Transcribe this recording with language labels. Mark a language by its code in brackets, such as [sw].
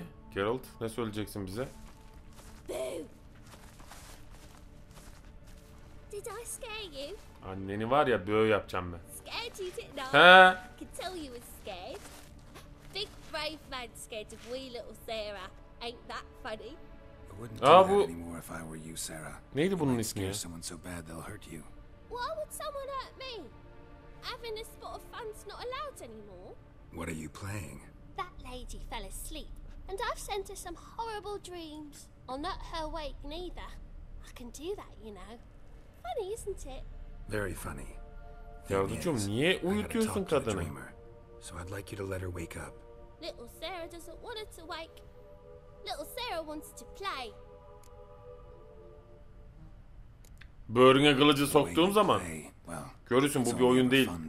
[tr] Geralt ne söyleyeceksin bize? [en] Did I scare you? [tr] Anneni var ya böyle yapacağım ben. [en] Scared you did not. He? Could tell you was scared. Big brave man scared of wee little Sarah. Ain't that funny? I wouldn't do that anymore if I were you, Sarah. [tr] Neydi bunun ismi ya? [en] Someone so bad they'll hurt you. Why would someone hurt me? Having a spot of fun's not allowed anymore. What are you playing? That lady fell asleep, and I've sent her some horrible dreams. I'll not her wake neither. I can do that, you know. Funny, isn't it? Very funny. [tr] Yavrucuğum, niye uyutuyorsun kadını? [en] So I'd like you to let her wake up. Little Sarah doesn't want her to wake. Little Sarah wants to play. [tr] Böğrüne kılıcı soktuğum zaman, görürsün bu bir oyun değil.